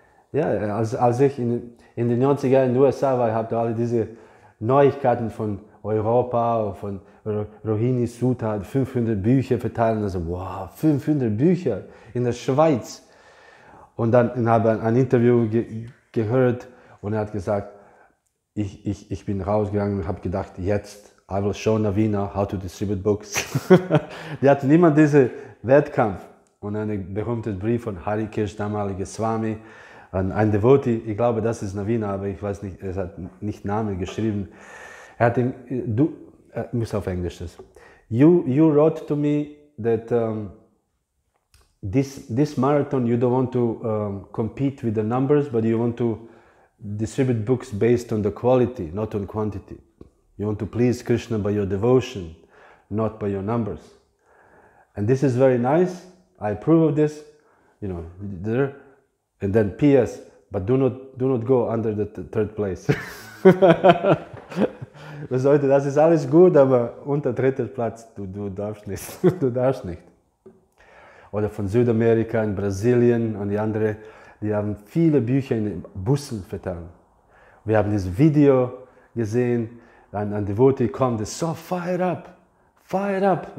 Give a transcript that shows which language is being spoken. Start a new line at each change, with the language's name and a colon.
German: Ja, als ich in den 90er Jahren in den USA war, habe ich alle diese Neuigkeiten von Europa, von Rohini Sutta, 500 Bücher verteilen. Also, wow, 500 Bücher in der Schweiz. Und dann habe ich ein Interview gehört und er hat gesagt, ich bin rausgegangen und habe gedacht, jetzt.
English: I will show Navina how to distribute books.
German: Die hatten immer diesen Wettkampf. Und ein berühmtes Brief von Hari Kesh, damaliger Swami, an einen Devotee, ich glaube, das ist Navina, aber ich weiß nicht, es hat nicht Namen geschrieben. Er hat ihm, du, muss auf Englisch das.
English: You wrote to me that this marathon, you don't want to compete with the numbers, but you want to distribute books based on the quality, not on quantity. You want to please Krishna by your devotion, not by your numbers. And this is very nice. I approve of this. You know, there. And then P.S. But do not go under the third place.
German: Was sollte, das ist alles gut, aber unter dritter Platz, du darfst nicht. Du darfst nicht. Oder von Südamerika in Brasilien und die anderen, die haben viele Bücher in den Bussen vertan. Wir haben dieses Video gesehen, ein Devotee kommt,
English: so fire up.